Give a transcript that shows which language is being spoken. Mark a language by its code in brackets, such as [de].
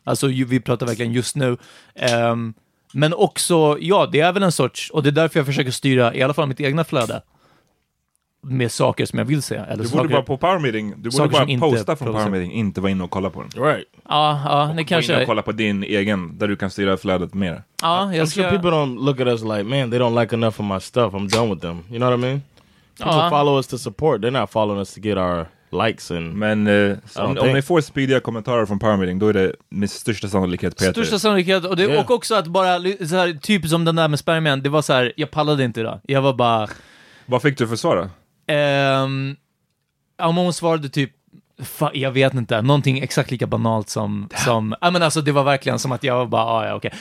[sv] Alltså vi pratar verkligen just nu. Men också, ja, det är väl en sorts, och det är därför jag försöker styra i alla fall mitt egna flöde med saker som jag vill se. Eller du borde saker, bara på Power Meeting, du borde bara posta från Power Meeting, inte vara inne och kolla på den. [en] Right. [sv] Det kanske. Och kolla på din egen, där du kan styra flödet mer. Jag ska... [en] I'm sure people don't look at us like, man, they don't like enough of my stuff, I'm done with them. You know what I mean? People follow us to support. They're not following us to get our likes and. [sv] Men om ni får speediga kommentarer från Power Meeting, då är det med största sannolikhet Peter. Största sannolikhet, och det och också att bara så här, typ som den där med spermien, det var så här, jag pallade inte idag. Jag var bara... Vad fick du för svara? Hon svarade typ, jag vet inte, någonting exakt lika banalt som men alltså det var verkligen som att jag var bara okej.